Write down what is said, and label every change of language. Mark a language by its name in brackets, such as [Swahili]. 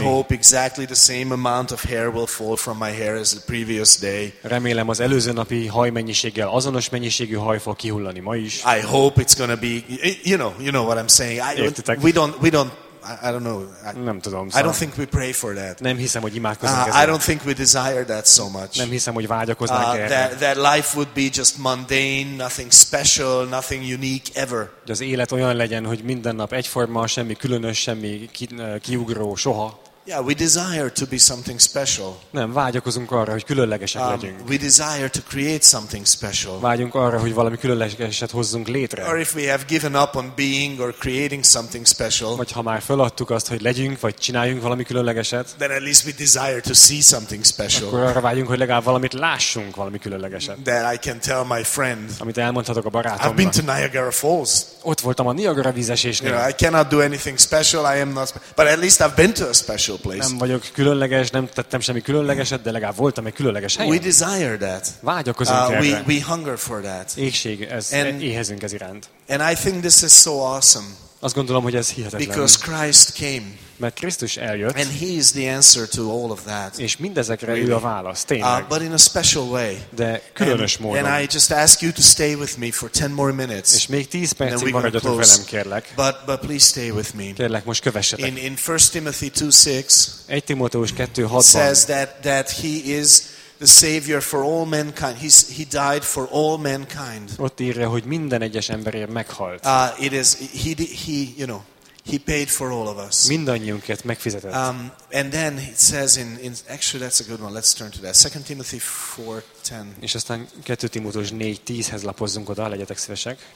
[English] I hope exactly the same amount of hair will fall from my hair as the previous day. [Hungarian] Remélem, az előző napi hajmennyiséggel azonos mennyiségű haj fog kihullani ma is. [English] I hope it's gonna be, you know what I'm saying. I don't think we pray for that. [Hungarian] Nem hiszem, hogy imádkozunk ezen. [English] I don't think we desire that so much. [Hungarian] Nem hiszem, hogy vágyakoznánk erre. [English] That life would be just mundane, nothing special, nothing unique ever. [Hungarian] De az élet olyan legyen, hogy minden nap egyforma, semmi különös, semmi kiugró, soha. [English] Yeah, we desire to be something special. [Hungarian] Nem, vágyakozunk arra, hogy különlegesek legyünk. [English] We desire to create something special. [Hungarian] Vágyunk arra, hogy valami különlegeset hozzunk létre. [English] Or if we have given up on being or creating something special. [Hungarian] Vagy ha már feladtuk azt, hogy legyünk vagy csináljunk valami különlegeset. [English] Then at least we desire to see something special. [Hungarian] Akkor arra vágyunk, hogy legalább valamit lássunk, valami különlegeset. [English] That I can tell my friend. [Hungarian] Amit elmondhatok a barátomnak. [English] I've been to Niagara Falls. [Hungarian] Ott voltam a Niagara vízesésnél. [English] You know, I cannot do anything special. I am not. But at least I've been to a special. [Hungarian] Nem vagyok különleges, nem tettem semmi különlegeset, de legalább voltam egy különleges helyen. [English] We desire that. [Hungarian] Vágyakozunk erre. [English] We hunger for that. [Hungarian] Éhség, éhezünk ez iránt. [English] And I think this is so awesome. [Hungarian] Azt gondolom, hogy ez hihetetlen. [English] Because Christ came. [Hungarian] Mert Krisztus eljött. [English] And he is the answer to all of that. [Hungarian] És mindezekre [English] really? [Hungarian] Ő a válasz, tényleg. [English] But in a special way. [Hungarian] De különös módon. [English] And I just ask you to stay with me for 10 more minutes. [Hungarian] És még 10 percig maradjatok velem, kérlek. [English] But please stay with me. [Hungarian] Kérlek, most kövessetek. [English] In 1 Timothy 2:6. [Hungarian] 1 Timóteus 2:6-ban. [English] Says that he is the savior for all mankind. He died for all mankind. [Hungarian] Ott írja, hogy minden egyes emberért meghalt. [English] He paid for all of us. [Hungarian] Mindannyiunkat megfizetett. [English] And then it says in actually that's a good one. Let's turn to that. 2 Timothy 4:10. [Hungarian] És aztán 2 Timóteus 4:10-hez lapozzunk oda, legyetek szívesek.